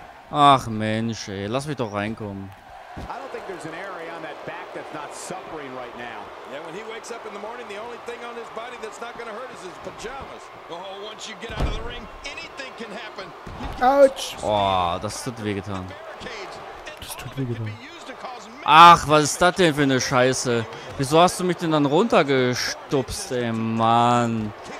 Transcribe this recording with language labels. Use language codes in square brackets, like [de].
[de] Ach Mensch, ey, lass mich doch reinkommen. [en] I don't think there's an area on that back that's not suffering right now. Yeah, when he wakes up in the morning, the only thing on his body that's not going to hurt is his pajamas. Oh, once you get out of the ring, anything can happen. Ouch! [de] Oh, das tut wehgetan. Das tut wehgetan. Ach, was ist das denn für eine Scheiße? Wieso hast du mich denn dann runtergestupst, ey, Mann?